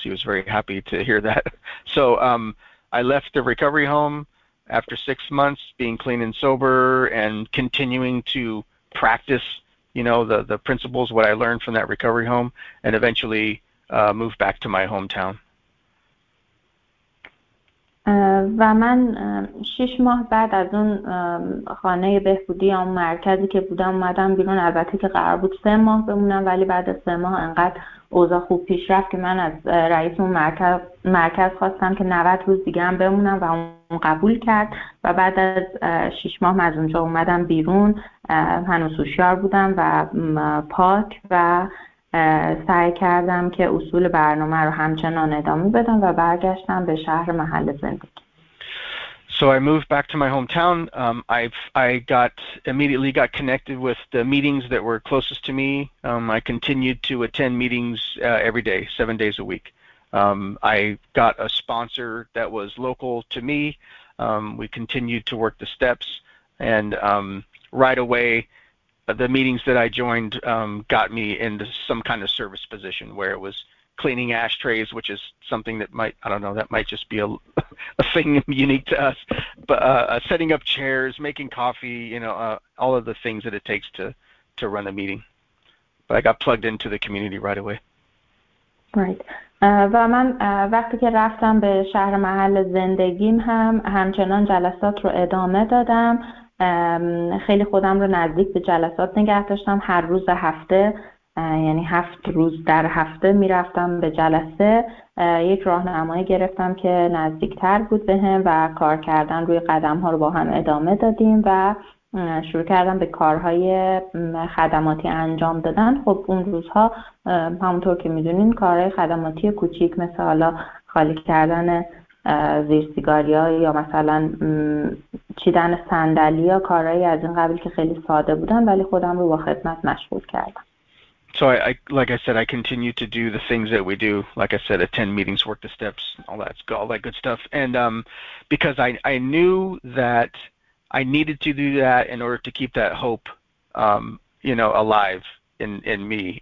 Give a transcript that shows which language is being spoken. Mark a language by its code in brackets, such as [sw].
[en] He was very happy to hear that. So I left the recovery home after 6 months being clean and sober and continuing to practice, you know, the principles, what I learned from that recovery home, and eventually moved back to my hometown. [fa] و من 6 ماه بعد از اون خانه بهبودی اون مرکزی که بودم اومدم بیرون. البته که قرار بود 3 ماه بمونم، ولی بعد از 3 ماه انقدر اوضاع خوب پیش رفت که من از رئیس اون مرکز خواستم که 90 روز دیگه هم بمونم و اون قبول کرد و بعد از 6 ماه من از اونجا اومدم بیرون. هنوز هوشیار بودم و پاک و سعی کردم که اصول برنامه رو همچنان ادامه بدم و برگشتم به شهر محل زندگی. [en] So I moved back to my hometown. I immediately got connected with the meetings that were closest to me. I continued to attend meetings every day, 7 days a week. I got a sponsor that was local to me. We continued to work the steps, and right away, the meetings that I joined got me into some kind of service position where it was cleaning ashtrays, which is something that might, I don't know, that might just be a thing unique to us, but setting up chairs, making coffee, you know, all of the things that it takes to run a meeting. But I got plugged into the community right away. Right. [fa] و من وقتی که رفتم به شهر محل زندگیم هم همچنان جلسات رو ادامه دادم. خیلی خودم رو نزدیک به جلسات نگه داشتم. هر روز هفته، یعنی 7 روز در هفته می رفتم به جلسه. یک راهنمایی گرفتم که نزدیک تر بود به هم و کار کردن روی قدم ها رو با هم ادامه دادیم و شروع کردم به کارهای خدماتی انجام دادن. خب اون روزها همونطور که می دونین کارهای خدماتی کوچیک مثل حالا خالی کردن زیر سیگاری ها یا مثلا چیدن صندلی ها، کارهایی از این قبیل که خیلی ساده بودن، ولی خودم رو با خدمت مشغول کردم. [en] So I like I said, I continue to do the things that we do. Like I said, attend meetings, work the steps, all that good stuff. And because I knew that I needed to do that in order to keep that hope, alive in me.